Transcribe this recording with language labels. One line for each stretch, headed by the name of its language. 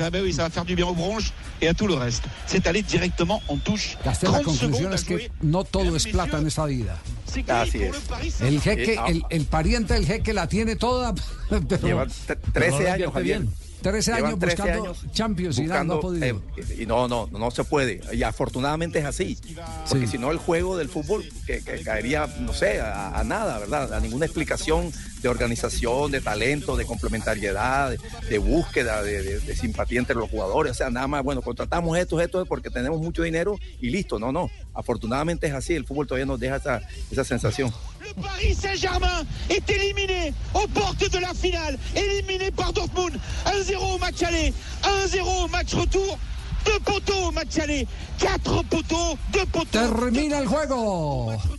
French: Ah, ben oui, ça va faire du bien aux bronches et à tout le reste. C'est aller directement en touche.
Spanish: Castel, la conclusión es que no todo es plata en esta vida. Así es. El jeque, el pariente del jeque la tiene toda. Pero, lleva 13 años, Javier. 13 años buscando Champions y buscando, no ha podido. No se puede. Y afortunadamente es así. Porque si no, el juego del fútbol que caería, no sé, a nada, ¿verdad? A ninguna explicación de organización, de talento, de complementariedad, de búsqueda, de simpatía entre los jugadores. O sea, nada más, bueno, contratamos esto porque tenemos mucho dinero y listo. No. Afortunadamente es así. El fútbol todavía nos deja esa sensación.
French: Le Paris Saint-Germain est éliminé aux portes de la finale, éliminé par Dortmund. 1-0 au match aller, 1-0 au match retour. Deux poteaux au match aller, quatre poteaux, deux poteaux.
Spanish: Termine le juego.